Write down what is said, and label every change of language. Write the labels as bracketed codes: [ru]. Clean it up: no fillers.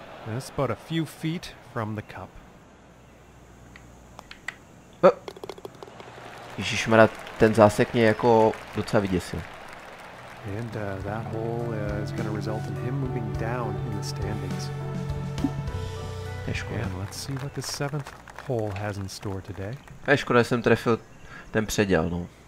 [en] That's about a few feet from the cup. [cs] Ježišmarad, ten zásek mě jako docela vyděsil. [en] And that hole is going to result in him moving down in the standings. [cs] Škoda. [en] And let's see what the seventh hole has in store today. [cs] Škoda, jsem trefil ten předěl, no.